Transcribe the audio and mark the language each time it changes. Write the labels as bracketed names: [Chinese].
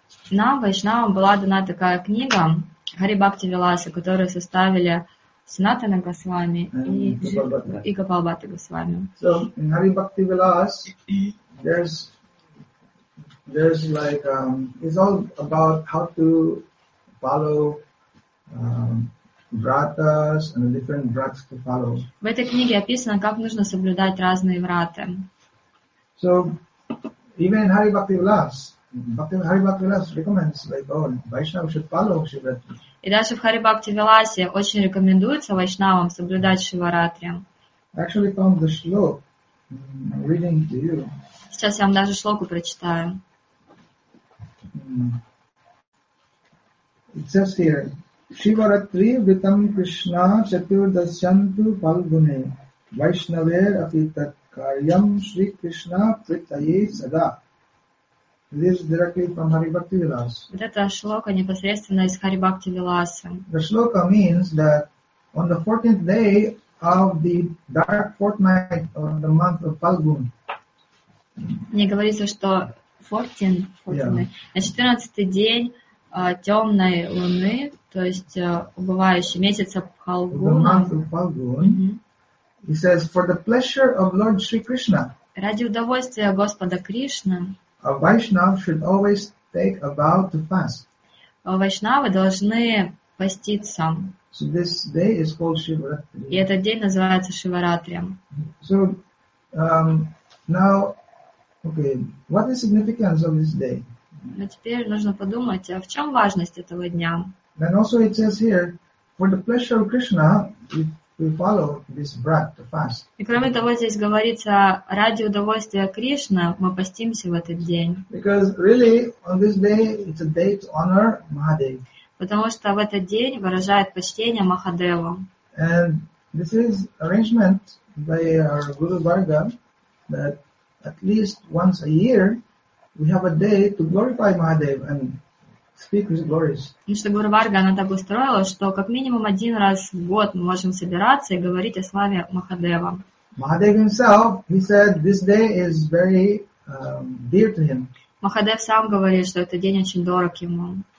[Russian] Нам, Вайшнавам, была дана такая книга Hari Bhakti Vilasa, которую составили Санатана Госвами и Гопал Бхатта Госвами. [English] So in Hari Bhakti Vilas, there's like it's all about how to follow Vratas and different vratas to follow. [Russian] В этой книге описано, как нужно соблюдать разные враты. [English] So, even in Hari Bhakti Vilas, Hari Bhakti Vilas recommends, like, oh, Vaishnava should follow Shivaratri. [Russian] И даже в Hari Bhakti Vilasе очень рекомендуется Вайшнавам соблюдать Шиваратри. [English] Actually, from the shlok, reading to you. [Russian] Сейчас я вам даже шлоку прочитаю. [English] It says here, [Sanskrit] Shivaratri vritam Krishna chaturdashyantu palgune Vaishnaver api tat karyam Shri Krishna pritaye sada. [Russian] Это шлока непосредственно из Хари Бхакти Виласы. [English] The shloka means that on the 14th day of the dark fortnight of the month of Phalgun. [Russian] Мне говорится, что 14th, на 14-й день темной луны, то есть убывающий месяц Phalguna. [English] The month of Phalgun. He says, for the pleasure of Lord Sri Krishna. [Russian] Ради удовольствия Господа Кришны. [English] A Vaishnav should always take a vow to fast. [Russian] Вайшнавы должны поститься. [English] So this day is called Shivaratri. [Russian] И этот день называется Шиваратрием. [English] So now, okay, what is the significance of this day? [Russian] Но теперь нужно подумать, а в чем важность этого дня? [English] And also it says here, for the pleasure of Krishna, we follow this brat to fast. [Russian] И кроме того, здесь говорится, ради удовольствия Кришны мы постимся в этот день. [English] Because really, on this day, it's a day to honor Mahadev. [Russian] Потому что в этот день выражает почтение Махадеву. [English] And this is arrangement by our Guru Bhargava that at least once a year we have a day to glorify Mahadev and speak his glories. [Russian] И что Гуру Бхарга, она так устроила, что как минимум один раз в год мы можем собираться и говорить о славе Махадева. [English] Mahadev himself, he said, this day is very dear to him. [Russian] Махадев сам говорит, что этот день очень дорог ему.